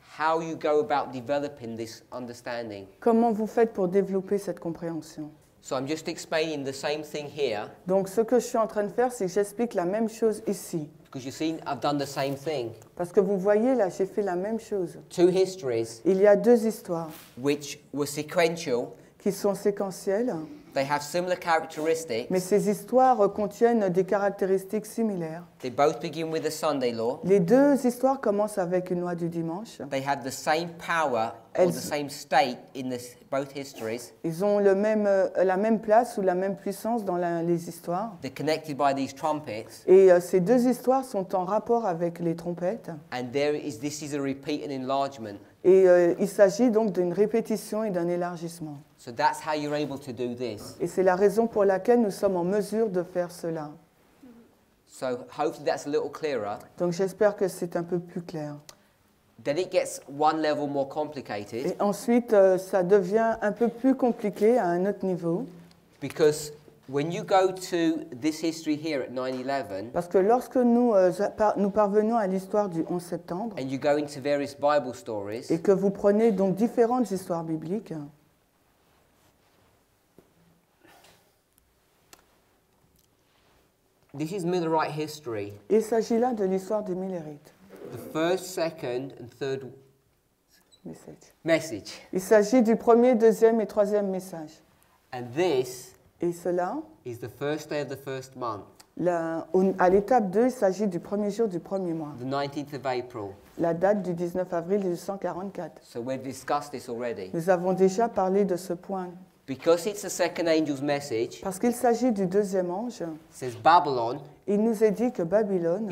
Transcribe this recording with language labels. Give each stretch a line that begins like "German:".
English: How you go about developing this understanding.
French: Comment vous faites pour développer cette compréhension?
English: So I'm just explaining the same thing here.
French: Donc ce que je suis en train de faire, c'est que j'explique la même chose ici.
English: Because you see, I've done the same thing.
French: Parce que vous voyez là, j'ai fait la même chose.
English: Two histories.
French: Il y a deux histoires.
English: Which were sequential.
French: Qui sont séquentielles.
English: They have similar characteristics.
French: Mais ces histoires contiennent des caractéristiques similaires.
English: They both begin with a Sunday law.
French: Les deux histoires commencent avec une loi du dimanche.
English: They have the same power or the same state in this, both histories.
French: Ils ont le même, la même place ou la même puissance dans les histoires.
English: They're connected by these trumpets.
French: Et ces deux histoires sont en rapport avec les trompettes.
English: And there is, this is a repeat and enlargement.
French: Et il s'agit donc d'une répétition et d'un élargissement.
English: So that's how you're able to do this.
French: Et c'est la raison pour laquelle nous sommes en mesure de faire cela.
English: So hopefully that's a little clearer.
French: Donc j'espère que c'est un peu plus clair.
English: Then it gets one level more complicated.
French: Et ensuite, ça devient un peu plus compliqué à un autre niveau.
English: Because when you go to this history here at 9/11,
French: parce que lorsque nous nous parvenons à l'histoire du 11 septembre,
English: and you go into various Bible stories,
French: et que vous prenez donc différentes histoires bibliques,
English: this is Millerite history.
French: Il s'agit là de l'histoire des Millerites.
English: The first, second, and third message.
French: Il s'agit du premier, deuxième et troisième message.
English: And this.
French: Et cela,
English: is the first day of the first month.
French: À l'étape 2, il s'agit du premier jour du premier mois.
English: The 19th of April.
French: La date du 19 avril 1844.
English: So we've discussed this already.
French: Nous avons déjà parlé de ce point.
English: Because it's the second angel's message.
French: Parce qu'il s'agit du deuxième ange.
English: It says Babylon.
French: Il nous est dit que Babylone